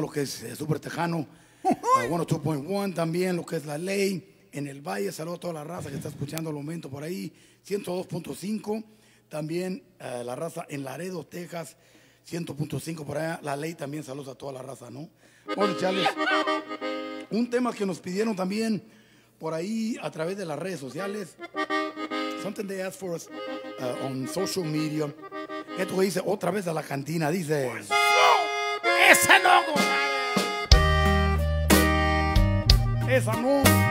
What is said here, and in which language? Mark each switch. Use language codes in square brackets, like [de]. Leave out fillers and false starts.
[es] Lo que es Super Tejano, bueno, 2.1 también, lo que es La Ley, en el Valle, saludo a toda la raza que está escuchando al momento por ahí, 102.5, también la raza en Laredo, Texas, 100.5 por allá. La Ley también, saludos a toda la raza, ¿no? Vamos a echarles un tema que nos pidieron también por ahí a través de las redes sociales. [en] Something they asked for us on social media. [es] Esto que dice otra vez a la cantina, dice... ¡Esa no! ¡Esa no!